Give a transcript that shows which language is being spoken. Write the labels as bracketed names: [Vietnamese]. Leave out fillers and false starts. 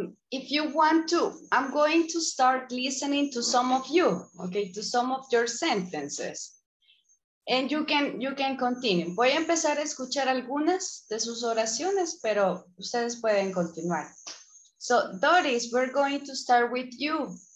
[English] If you want to, I'm going to start listening to some of you, okay, to some of your sentences. And you can continue. [Spanish] Voy a empezar a escuchar algunas de sus oraciones, pero ustedes pueden continuar. [English] So, Doris, we're going to start with you.